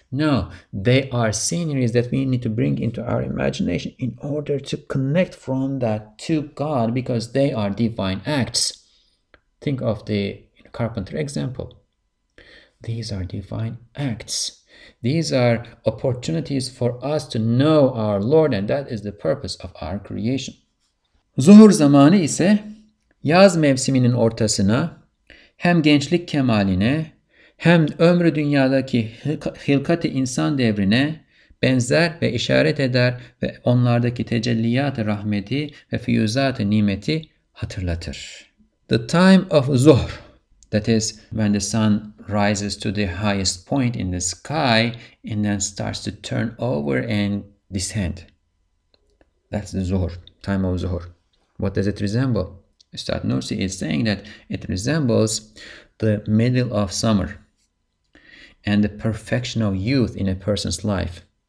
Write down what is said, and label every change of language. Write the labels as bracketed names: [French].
[English] No, they are sceneries that we need to bring into our imagination in order to connect from that to God, because they are divine acts. Think of the carpenter example. These are divine acts. These are opportunities for us to know our Lord, and that is the purpose of our creation. [Turkish] Zuhur zamanı ise yaz mevsiminin ortasına, hem gençlik kemaline, hem ömrü dünyadaki hilkati insan devrine benzer ve işaret eder ve onlardaki tecelliyat-ı rahmeti ve füyüzat-ı nimeti hatırlatır. [English] The time of Zuhr, that is when the sun rises to the highest point in the sky and then starts to turn over and descend. That's the Zuhr, time of Zuhr. What does it resemble? Üstad Nursi is saying that it resembles the middle of summer and the perfection of youth in a person's life.